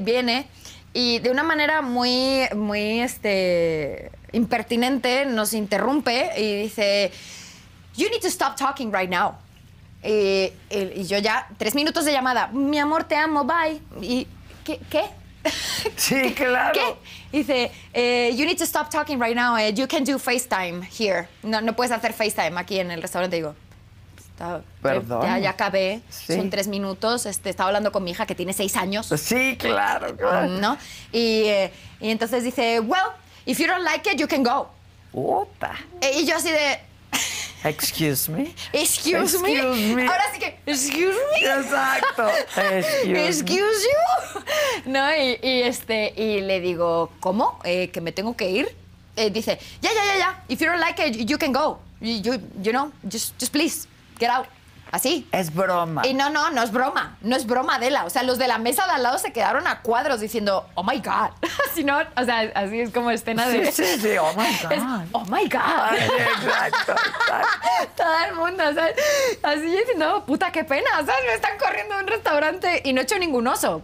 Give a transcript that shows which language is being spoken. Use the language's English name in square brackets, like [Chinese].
[Spanish] Viene, y de una manera muy, muy, impertinente, nos interrumpe y dice, [English] you need to stop talking right now. [Spanish] Y yo ya, 3 minutos de llamada, mi amor, te amo, bye. Y, ¿qué? Sí, claro. ¿Qué? Dice, [English] you need to stop talking right now. You can do FaceTime here. [Spanish] No puedes hacer FaceTime aquí en el restaurante. Digo, perdón. Ya acabé. Sí. Son 3 minutos. Estaba hablando con mi hija que tiene 6 años. Sí, claro. ¿No? Y entonces dice, [English] well, if you don't like it, you can go. [Spanish] Opa. Y yo así de... [English] Excuse me. [Spanish] Ahora sí que, [English] excuse me. [Spanish] Exacto. [English] Excuse you. [Spanish] No, y le digo, ¿cómo? ¿Que me tengo que ir? Dice, ya. [English] If you don't like it, you can go. You know, just please, get out. [Spanish] Así. Es broma. Y no es broma. No es broma, Adela. O sea, los de la mesa de al lado se quedaron a cuadros diciendo, [English] oh my God. [Spanish] Si no, o sea, así es como escena de... [English] Sí, oh my God. Es, oh my God. [Spanish] Ay, exacto. Todo el mundo, o sea, así diciendo, puta, qué pena. O sea, me están corriendo de un restaurante y no he hecho ningún oso.